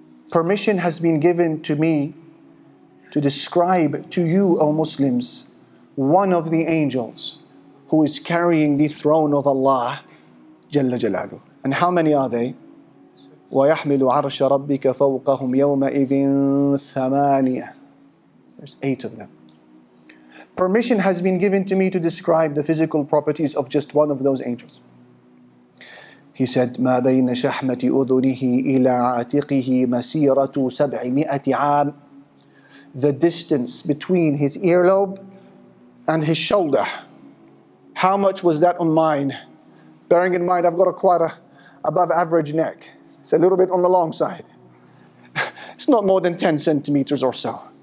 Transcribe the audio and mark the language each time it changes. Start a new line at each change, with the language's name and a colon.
English: Permission has been given to me to describe to you, O Muslims, one of the angels who is carrying the throne of Allah jalla jalaluhu. And how many are they? وَيَحْمِلُ عَرْشَ رَبِّكَ فَوْقَهُمْ يَوْمَئِذٍ ثَمَانِيَةٍ. There's eight of them. Permission has been given to me to describe the physical properties of just one of those angels.
Arabic: He said, مَا بَيْنَ شَحْمَةِ أُذُنِهِ إِلَىٰ عَتِقِهِ مَسِيرَةُ سَبْعِمِئَةِ عَامٍ.
English: The distance between his earlobe and his shoulder. How much was that on mine? Bearing in mind, I've got quite a above average neck. It's a little bit on the long side. It's not more than 10 centimeters or so.